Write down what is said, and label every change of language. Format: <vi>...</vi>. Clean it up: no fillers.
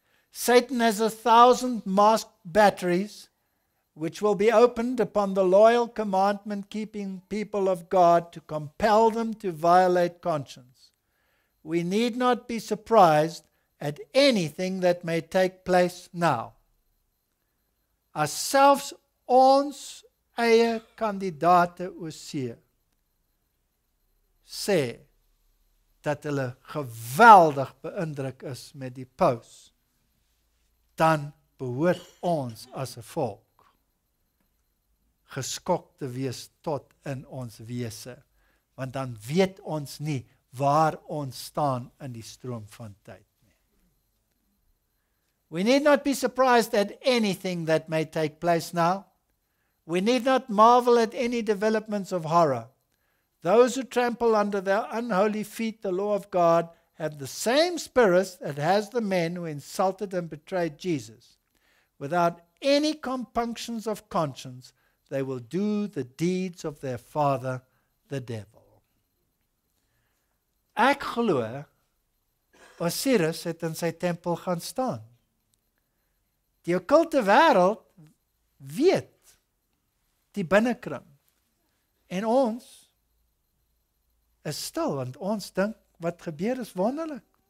<en>Satan has 1,000 masked batteries which will be opened upon the loyal commandment-keeping people of God to compel them to violate conscience. We need not be surprised at anything that may take place now.</en> <af>As selfs ons eie kandidate oseer sê dat hulle geweldig beïndruk is met die paus, dan behoort ons as 'n volk geskok te wees tot in ons wese, want dan weet ons nie waar ons staan in die stroom van tyd nie.</af> <en>We need not be surprised at anything that may take place now. We need not marvel at any developments of horror. Those who trample under their unholy feet the law of God have the same spirit that has the men who insulted and betrayed Jesus. Without any compunctions of conscience, they will do the deeds of their father, the devil.</en> <af>Ek glo, Osiris het in sy tempel gaan staan. Die okkulte wêreld weet die binnekring. En ons is stil, want ons dink wat gebeur is wonderlik.</af>